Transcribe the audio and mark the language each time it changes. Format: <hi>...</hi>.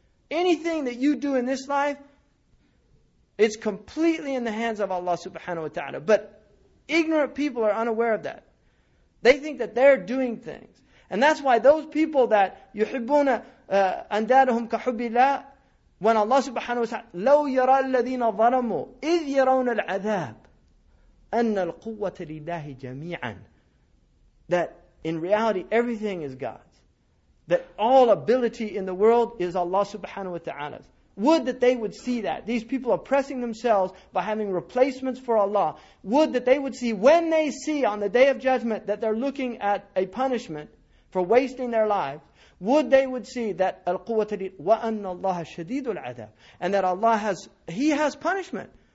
<en>Anything that you do in this life, it's completely in the hands of Allah subhanahu wa ta'ala. But ignorant people are unaware of that. They think that they're doing things. And that's why those people that</en> <ar>يُحِبُّونَ أَنْدَادَهُمْ كَحُبِّ اللَّهِ.</ar> <en>When</en> <ar>Allah subhanahu wa ta'ala, لَوْ يَرَى الَّذِينَ ظَلَمُوا إِذْ يَرَوْنَ الْعَذَابِ أَنَّ الْقُوَّةَ لِلَّهِ جَمِيعًا.</ar> <en>That in reality, everything is God's. That all ability in the world is Allah subhanahu wa ta'ala's. Would that they would see that. These people oppressing themselves by having replacements for Allah. Would that they would see, when they see on the Day of Judgment that they're looking at a punishment for wasting their lives, would they would see that</en> <ar>al-quwwata li wa anna Allah shadidul adab,</ar> <en>and that Allah has punishment.</en>